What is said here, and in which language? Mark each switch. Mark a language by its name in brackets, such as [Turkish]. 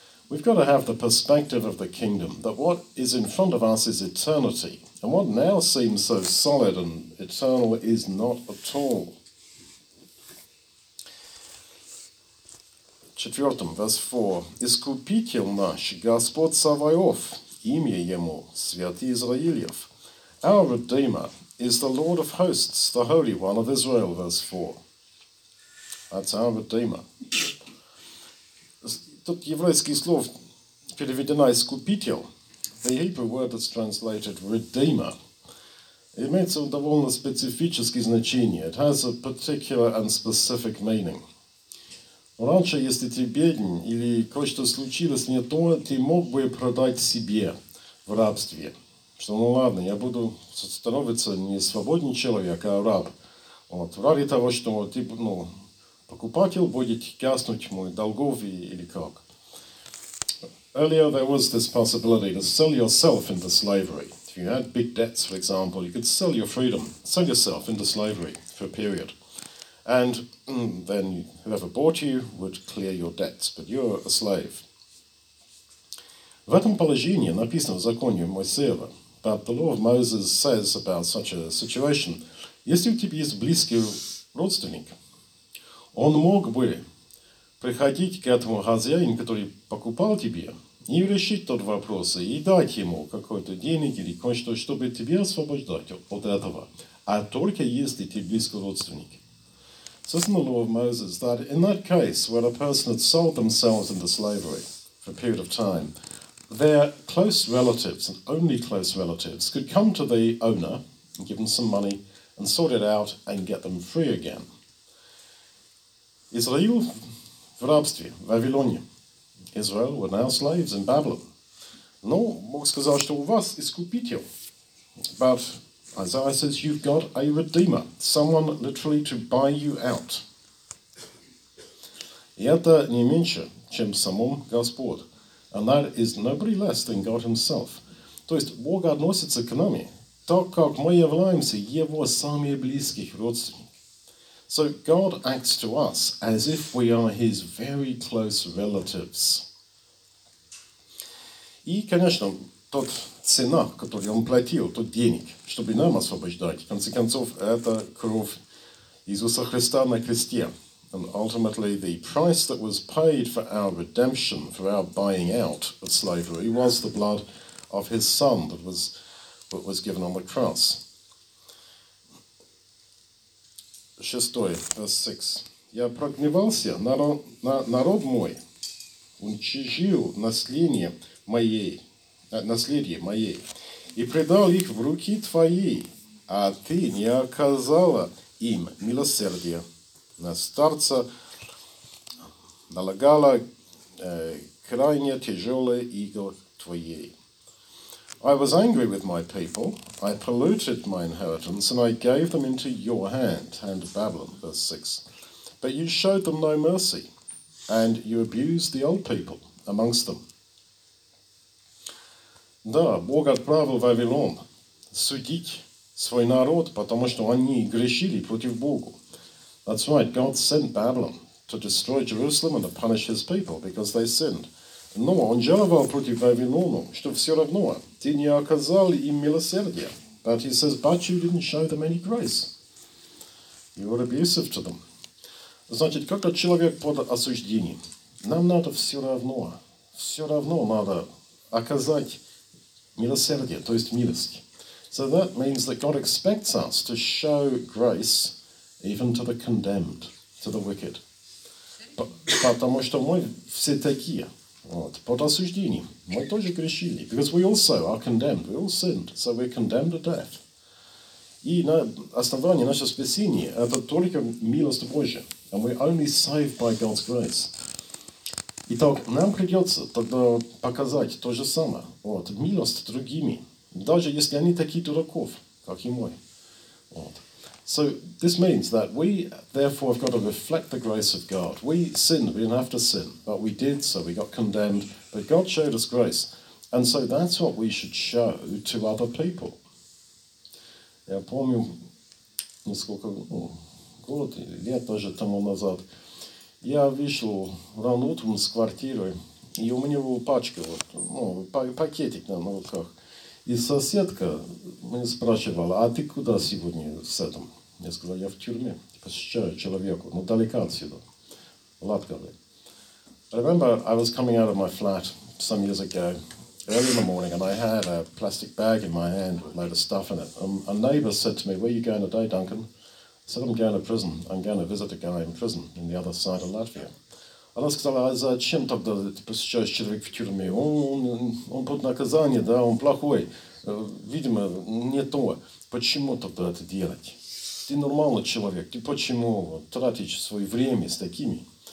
[English] We've got to have the perspective of the kingdom, that what is in front of us is eternity. And what now seems so solid and eternal is not at all. [Russian] Четвертом, [English] verse 4. [Russian] Искупитель наш, Господь Саваоф, имя Ему, Святый Израилев. [English] Our Redeemer is the Lord of Hosts, the Holy One of Israel, verse 4. That's our Redeemer. [Russian] Тут еврейский слов переведено «искупитель». [English] The Hebrew word that's translated «redeemer». It means a [Russian] довольно специфическое значение. [English] It has a particular and specific meaning. [Russian] Раньше, если ты беден или кое-что случилось не то, ты мог бы продать себе в рабстве. Что, ну ладно, я буду становиться не свободный человек, а раб. Вот. Ради того, что ты, ну, покупатель будет гаснуть мой долгов или как. [English] Earlier there was this possibility to sell yourself into slavery. If you had big debts, for example, you could sell your freedom, sell yourself into slavery for a period. And then whoever bought you would clear your debts, but you're a slave. [Russian] В этом положении написано в законе Моисеева, [English] but the law of Moses says about such a situation, [Russian] если у тебя есть близкий родственник, он мог бы приходить к этому хозяину, который покупал тебе, и решить тот вопрос, и дать ему какой-то денег или кое-что, чтобы тебя освобождать от этого. А только если ты близкий родственник. [English] Says in the law of Moses that in that case, where a person had sold themselves into slavery for a period of time, their close relatives, and only close relatives, could come to the owner and give them some money and sort it out and get them free again. [Russian] Israel в рабстве, в Вавилоне. [English] Israel were now slaves in Babylon. [Russian] Ну, мог сказать, что у вас искупитель. [English] But Isaiah says you've got a redeemer, someone literally to buy you out. [Russian] И это не меньше, чем самом Господ. [English] And that is nobody less than God himself. [Russian] То есть Бог относится к нами, так как мы являемся Его самыми близкими родственниками. [English] So God acts to us as if we are his very close relatives. [Russian] И, конечно, тот цена, который он платил, тот денег, чтобы нам освобождать, в конце концов, это кровь Иисуса Христа на кресте. [English] And ultimately, the price that was paid for our redemption, for our buying out of slavery, was the blood of his son that was given on the cross. [Russian] Шестой, [English] verse 6. [Russian] Я прогневался, народ мой, уничижил наследие моей, и предал их в руки твои, а ты не оказала им милосердия. На старца налагала крайне тяжелое иго твоей. [English] I was angry with my people, I polluted my inheritance, and I gave them into your hand of Babylon, verse 6. But you showed them no mercy, and you abused the old people amongst them. [Russian] Да, Бог отправил Вавилон судить свой народ, потому что они грешили против Бога. [English] That's right, God sent Babylon to destroy Jerusalem and to punish his people because they sinned. [Russian] Но он жаловал против Вавилона, что все равно ты не оказал им милосердия. [English] But he says, but you didn't show them any grace. You were abusive to them. [Russian] Значит, как человек под осуждением, нам надо все равно надо оказать милосердие, то есть милость. [English] So that means that God expects us to show grace even to the condemned, to the wicked. [Russian] Потому что мы все такие. Вот, под осуждением. Мы тоже грешили. [English] Because we also are condemned. We all sinned. So we're condemned to death. [Russian] И на основании нашего спасения это только милость Божия. [English] And we're only saved by God's grace. [Russian] Итак, нам придется тогда показать то же самое. Вот, милость другими. Даже если они такие дураков, как и мой. Вот. [English] So this means that we therefore have got to reflect the grace of God. We sinned, we didn't have to sin, but we did, so we got condemned. But God showed us grace. And so that's what we should show to other people. [Russian] Я помню, несколько год, лет даже тому назад, я вышел рано утром с квартиры, и у меня была пачка, вот, ну, пакетик на руках. И соседка меня спрашивала, а ты куда сегодня с этим? Я сказал, я в тюрьме, типа, сейчас человеку, но далеко отсюда, в Латгале. [English] I remember I was coming out of my flat some years ago, early in the morning, and I had a plastic bag in my hand with a load of stuff in it. A neighbor said to me, where are you going today, Duncan? I said, I'm going to prison. I'm going to visit a guy in prison in the other side of Latvia. And I [Russian] сказал, а зачем тогда ты посещаешь человека в тюрьме? Он под наказание, да, он плохой. Видимо, не то. Почему тогда это делать? Ты нормальный человек. Ты почему тратишь свое время с такими?